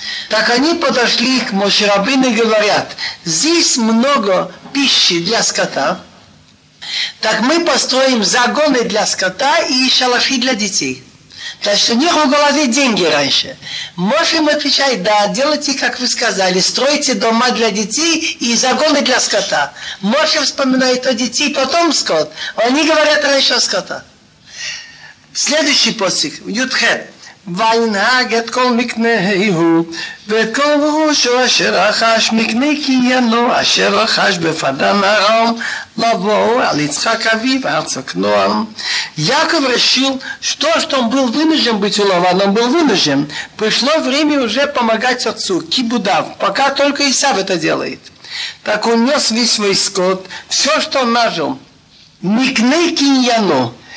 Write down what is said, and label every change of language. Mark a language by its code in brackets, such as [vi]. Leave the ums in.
[ru] Так они подошли к Мошерабину и говорят, здесь много пищи для скота, так мы построим загоны для скота и шалаши для детей. Значит, у них в голове деньги раньше. Мош им отвечает, да, делайте, как вы сказали, стройте дома для детей и загоны для скота. Мош вспоминает о детей, потом скот. Они говорят раньше о скота. Следующий посик, Ютхет. [he] וינהג את כל מקנהו ואת כל ראשו אשר רכש מקנה קניינו אשר רכש בפדן ארם לבואו על יצחק אביו ארצה כנועם. [ru] Яков решил, что, что он был вынужден быть улован, он был вынужден. Пришло время уже помогать отцу, кибудав, пока только Исав это делает. Так он нес весь свой скот, все, что он нажил, Микны киньяно.